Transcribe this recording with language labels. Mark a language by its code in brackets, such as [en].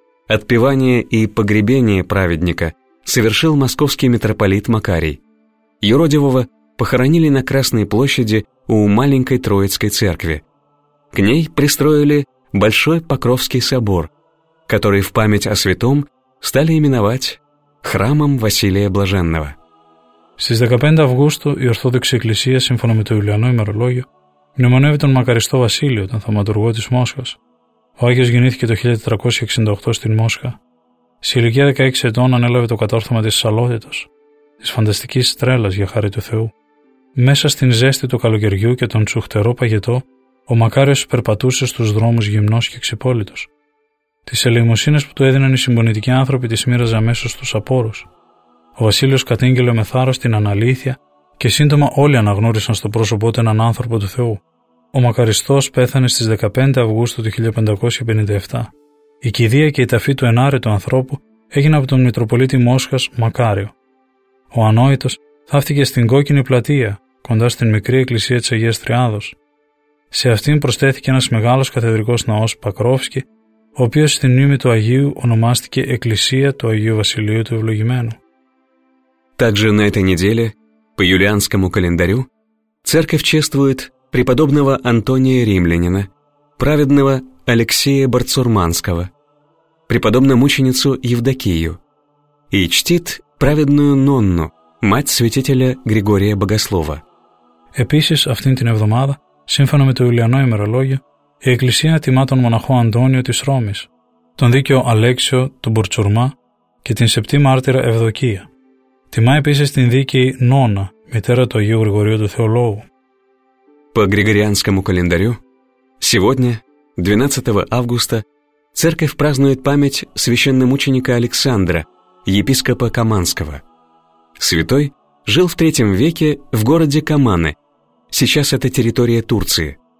[ru] Отпевание и погребение праведника совершил московский митрополит Макарий. Юродивого похоронили на Красной площади у маленькой Троицкой церкви. К ней пристроили Большой Покровский собор, который в память о святом стали именовать Храмом Василия Блаженного. [el] Στις 15 Αυγούστου η Ορθόδοξη Εκκλησία, σύμφωνα με το Ιουλιανό ημερολόγιο, μνημονεύει τον μακαριστό Βασίλειο, τον θαυματουργό της Μόσχας. Ο Άγιος γεννήθηκε το 1468 στην Μόσχα. Σε ηλικία 16 ετών ανέλαβε το κατόρθωμα της Σαλότητος, της φανταστικής τρέλας για χάρη του Θεού. Μέσα στην ζέστη του καλοκαιριού και τον τσουχτερό παγετό, ο Μακάριος περπατούσε στους δρόμους γυμνός και ξυπόλυτος. Τις ελεημοσύνες που του έδιναν οι συμπονητικοί άνθρωποι τις μοίραζε αμέσως στους απόρους. Ο Βασίλειος κατήγγειλε με θάρρος την αναλήθεια και σύντομα όλοι αναγνώρισαν στο πρόσωπό του έναν άνθρωπο του Θεού. Ο Μακαριστός πέθανε στις 15 Αυγούστου του 1557. Η κηδεία και η ταφή του ενάρετου ανθρώπου έγινε από τον Μητροπολίτη Μόσχας Μακάριο. Ο Ανόητος θάφτηκε στην Κόκκινη Πλατεία, κοντά στην μικρή εκκλησία της Αγίας Τριάδος. Σε αυτήν προσθέθηκε ένας μεγάλος καθεδρικός ναός Πακρόφσκι, ο οποίος στην μνήμη του Αγίου ονομάστηκε Εκκλησία του Αγίου Βασιλείου του Ευλογημένου. [ru] Также на этой неделе, по юлианскому календарю, церковь чествует преподобного Антония Римлянина, праведного Алексея Барцурманского, преподобную мученицу Евдокию и чтит праведную Нонну, мать святителя Григория Богослова. [el] Επίσης, αυτήν την εβδομάδα, σύμφωνα με το Ιουλιανό ημερολόγιο, η Εκκλησία τιμά τον μοναχό Αντώνιο της Ρώμης, τον δίκαιο Αλέξιο του Μπουρτσουρμά και την σεπτή μάρτυρα Ευδοκία. Τιμά επίσης την δίκαιη Νόνα, μητέρα του Αγίου Γρηγορίου του Θεολόγου. [ru] по Григорианскому календарю, сегодня, 12 августа, Церковь празднует память священномученика Александра, епископа Каманского. Святой жил в III веке в городе Каманы, сейчас это территория Турции.